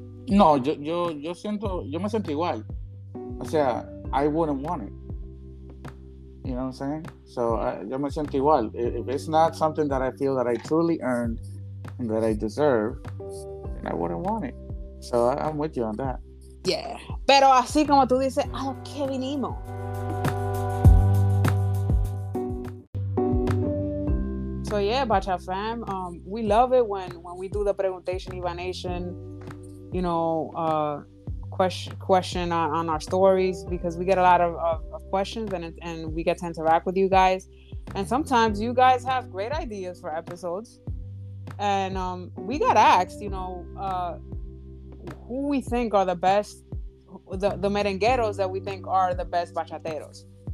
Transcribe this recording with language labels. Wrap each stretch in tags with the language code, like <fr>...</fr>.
<es>No, yo siento, yo me siento igual. O sea,</es> <en>I wouldn't want it. You know what I'm saying?</en> <es>So yo me siento igual.</es> <en>If it's not something that I feel that I truly earned and that I deserve, then I wouldn't want it. So I'm with you on that.</en> <es>Yeah, pero así como tú dices, a lo que vinimos.</es> <en>So yeah, Bacha fam, we love it when we do the Preguntation Iba Nation, you know, question on our stories, because we get a lot of questions and we get to interact with you guys. And sometimes you guys have great ideas for episodes. And we got asked, you know, who we think are the best, the merengueros that we think are the best bachateros.</en>